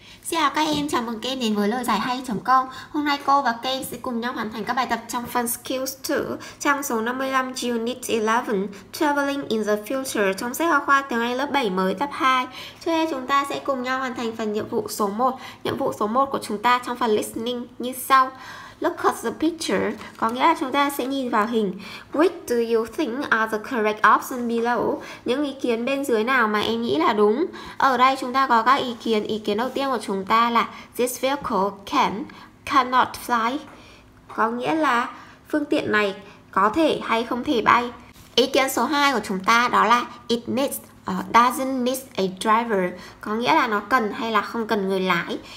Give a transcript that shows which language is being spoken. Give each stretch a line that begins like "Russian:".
Vietnamese: Chào các em, chào mừng các em đến với lời giải hay.com. Hôm nay cô và các em sẽ cùng nhau hoàn thành các bài tập trong phần Skills 2 trang số 55 Unit 11 Traveling in the Future trong sách giáo khoa tiếng Anh lớp 7 mới tập 2. Trước hết chúng ta sẽ cùng nhau hoàn thành phần nhiệm vụ số 1. Nhiệm vụ số 1 của chúng ta trong phần Listening như sau.
English: Look at the picture,
Vietnamese: có nghĩa là chúng ta sẽ nhìn vào hình.
English: Which do you think are the correct options below?
Vietnamese: Những ý kiến bên dưới nào mà em nghĩ là đúng? Ở đây chúng ta có các ý kiến. Ý kiến đầu tiên của chúng ta là
English: this vehicle cannot fly,
Vietnamese: có nghĩa là phương tiện này có thể hay không thể bay. Ý kiến số 2 của chúng ta đó là
English: it needs doesn't need a driver,
Vietnamese: có nghĩa là nó cần hay là không cần người lái.